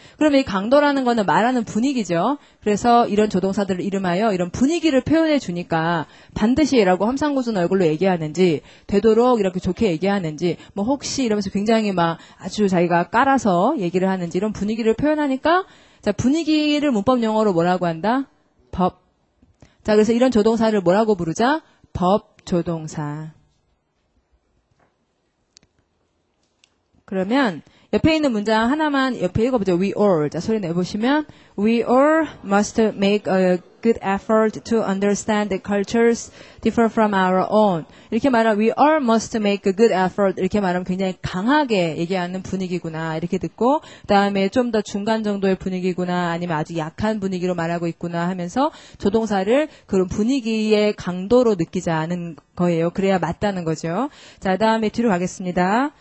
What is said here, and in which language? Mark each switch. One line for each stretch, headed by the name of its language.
Korean: 그러면 이 강도라는 거는 말하는 분위기죠. 그래서 이런 조동사들을 이름하여 이런 분위기를 표현해 주니까 반드시라고 험상궂은 얼굴로 얘기하는지, 되도록 이렇게 좋게 얘기하는지, 뭐 혹시 이러면서 굉장히 막 아주 자기가 깔아서 얘기를 하는지 이런 분위기를 표현하니까, 자, 분위기를 문법 용어로 뭐라고 한다? 법. 자, 그래서 이런 조동사를 뭐라고 부르자? 법 조동사. 그러면 옆에 있는 문장 하나만 옆에 읽어보죠.
English: We all.
Korean: 자, 소리 내보시면
English: We all must make a good effort to understand the cultures differ from our own.
Korean: 이렇게 말하면
English: We all must make a good effort.
Korean: 이렇게 말하면 굉장히 강하게 얘기하는 분위기구나. 이렇게 듣고 그다음에 좀더 중간 정도의 분위기구나. 아니면 아주 약한 분위기로 말하고 있구나 하면서 조동사를 그런 분위기의 강도로 느끼자는 거예요. 그래야 맞다는 거죠. 자, 다음에 뒤로 가겠습니다.